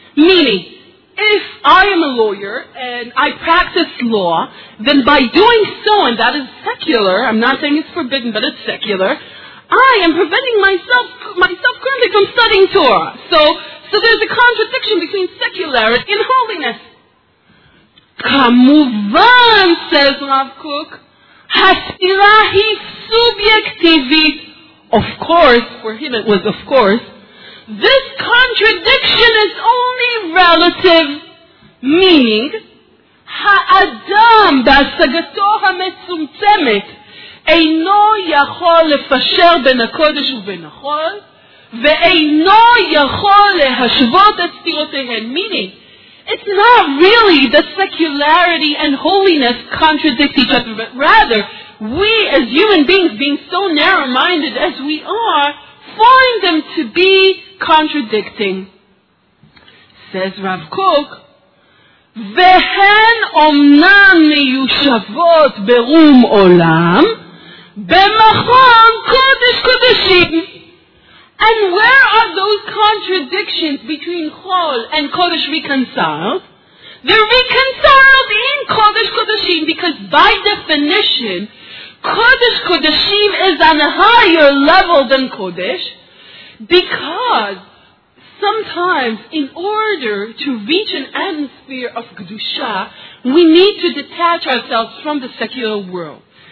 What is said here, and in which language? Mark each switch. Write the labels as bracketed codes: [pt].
[en] Meaning, if I am a lawyer and I practice law, then by doing so, and that is secular, I'm not saying it's forbidden, but it's secular, I am preventing myself currently from studying Torah. So there's a contradiction between secularity and holiness. [he] כמובן, סז רב קוק, הספירה היא סובייקטיבית. [en] Of course, for him it was of course, this contradiction is only relative, meaning, [he] האדם בהשגתו המצומצמת אינו יכול לפשר בין הקודש ובין החול, ואינו יכול להשוות את ספירותיהן. [en] Meaning, it's not really that secularity and holiness contradict each other, but rather, we as human beings, being so narrow-minded as we are, find them to be contradicting. Says Rav Kook, [he] והן אומנם מיושבות ברום עולם, במכון קודש קודשים. [en] And where are those contradictions between Chol and Kodesh reconciled? They're reconciled in Kodesh Kodeshim, because by definition, Kodesh Kodeshim is on a higher level than Kodesh, because sometimes in order to reach an atmosphere of Kedusha, we need to detach ourselves from the secular world.